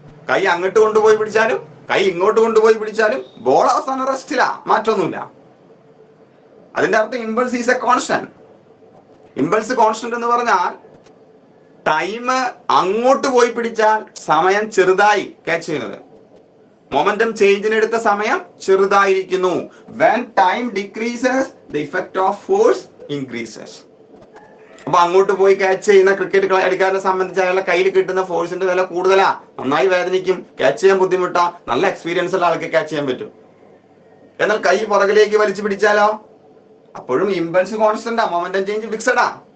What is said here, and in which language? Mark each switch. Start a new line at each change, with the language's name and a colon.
Malayalam: കൈ അങ്ങോട്ട് കൊണ്ടുപോയി പിടിച്ചാലും കൈ ഇങ്ങോട്ട് കൊണ്ടുപോയി പിടിച്ചാലും ബോൾ അവസാന റെസ്റ്റിലാ, മാറ്റൊന്നുമില്ല. അതിന്റെ അർത്ഥം
English: Impulse is a constant.
Malayalam: Impulse constant എന്ന് പറഞ്ഞാൽ ടൈം അങ്ങോട്ട് പോയി പിടിച്ചാൽ സമയം ചെറുതായി ക്യാച്ച് ചെയ്യുന്നത്, മൊമെന്റം ചേഞ്ചിനെടുത്ത സമയം ചെറുതായിരിക്കുന്നു.
English: When time decreases, the effect of force increases.
Malayalam: അപ്പൊ അങ്ങോട്ട് പോയി ക്യാച്ച് ചെയ്യുന്ന ക്രിക്കറ്റ് കളിക്കാരനെ സംബന്ധിച്ച് അയാളുടെ കയ്യിൽ കിട്ടുന്ന ഫോഴ്സിന്റെ വില കൂടുതലാ, നന്നായി വേദനിക്കും, ക്യാച്ച് ചെയ്യാൻ ബുദ്ധിമുട്ടാ, നല്ല എക്സ്പീരിയൻസ് ഉള്ള ആൾക്ക് ക്യാച്ച് ചെയ്യാൻ പറ്റും. എന്നാൽ കൈ പുറകിലേക്ക് വലിച്ചു പിടിച്ചാലോ, അപ്പോഴും ഇമ്പൾസ് കോൺസ്റ്റന്റ് ആ, മൊമെന്റം ചേഞ്ച് ഫിക്സഡാ.